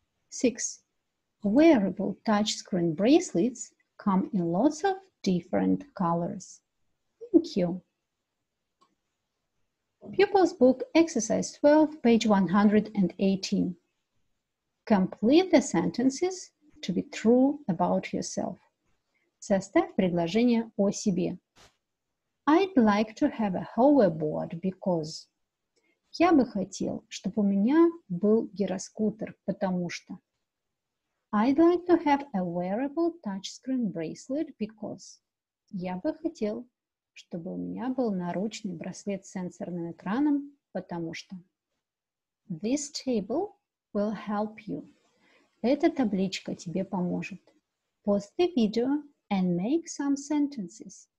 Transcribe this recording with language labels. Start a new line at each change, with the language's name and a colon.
English: 6. Wearable touchscreen bracelets come in lots of different colors. Thank you. Pupil's book, exercise 12, page 118. Complete the sentences to be true about yourself.
Russian: Составь предложение о себе.
English: I'd like to have a hoverboard because...
Russian: Я бы хотел, чтобы у меня был гироскутер, потому что...
English: I'd like to have a wearable touchscreen bracelet because...
Russian: Я бы хотел, чтобы у меня был наручный браслет с сенсорным экраном, потому что...
English: This table will help you.
Russian: Эта табличка тебе поможет.
English: Pause the video and make some sentences.